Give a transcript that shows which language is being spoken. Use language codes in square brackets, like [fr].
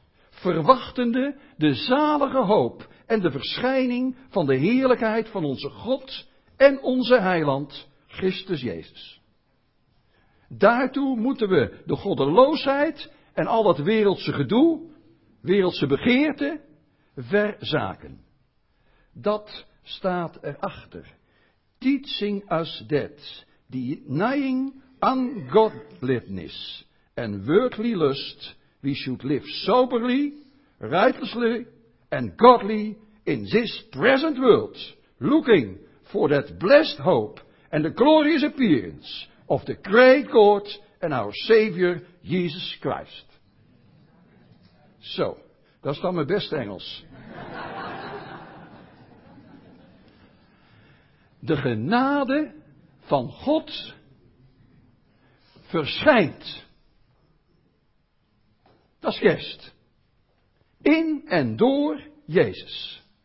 [nl] Verwachtende de zalige hoop en de verschijning van de heerlijkheid van onze God en onze heiland, Christus Jezus. Daartoe moeten we de goddeloosheid en al dat wereldse gedoe, wereldse begeerte, verzaken. Dat staat erachter. [en] Teaching us that, denying ungodliness and worldly lust, we should live soberly, righteously and godly in this present world, looking for that blessed hope and the glorious appearance of the great God and our Savior, Jesus Christ. [nl] Zo, dat is dan mijn beste Engels. De genade van God verschijnt. Dat is kerst. In en door Jezus.